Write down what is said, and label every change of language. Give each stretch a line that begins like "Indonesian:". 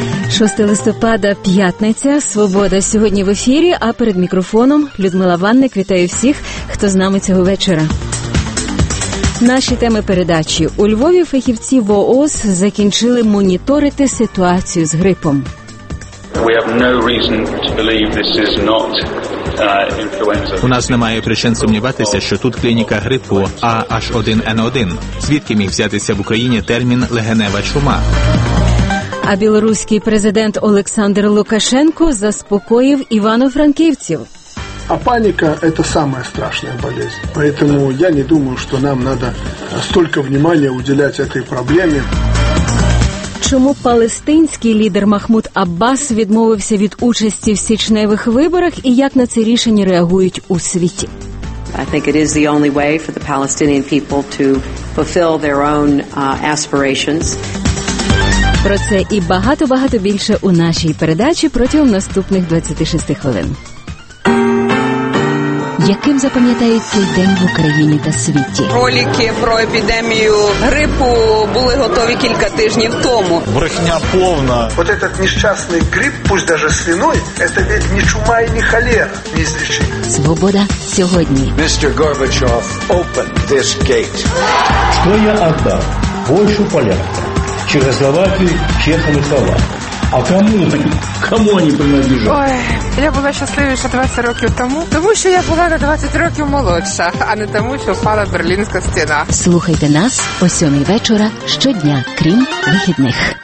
Ukrainian: 6 листопада, п'ятниця, «Свобода» сьогодні в ефірі, а перед мікрофоном Людмила Ванник. Вітаю всіх, хто з нами цього вечора. Наші теми передачі. У Львові фахівці в ООС закінчили моніторити ситуацію з грипом.
English: We have no reason to believe this is not influenza.
Ukrainian: У нас немає причин сумніватися, що тут клініка грипу AH1N1. Звідки міг взятися в Україні термін «легенева чума»? А білоруський президент Олександр Лукашенко заспокоїв івано-франківців. А паніка – це найбільш страшна болезнь. Тому я не думаю, що нам треба стільки уваги уділяти цій проблемі. Чому палестинський лідер Махмуд Аббас відмовився від участі в січневих виборах і як на це рішення реагують у світі?
English: I think it is the only way for the Palestinian people to fulfill their own aspirations.
Ukrainian: Про це і багато-багато більше у нашій передачі протягом наступних 26 хвилин. яким запам'ятають цей день в Україні та світі. Ролики про епідемію грипу були готові кілька тижнів тому. Брехня повна.
Russian: От этот нещасний грип, пусть даже свиной, это ведь не чума і не холера, не злічить.
Ukrainian: Свобода сьогодні.
English: Містер Горбачов, open this gate.
Ukrainian: Що я віддав? Польщу поляка, через Словакію чехами словаки. А кому вони? Кому вони принадлежать? Ой, я була щасливіша 20 років тому, тому що я була на 20 років молодша, а не тому, що впала Берлінська стіна. Слухайте нас о 7 вечора щодня, крім вихідних.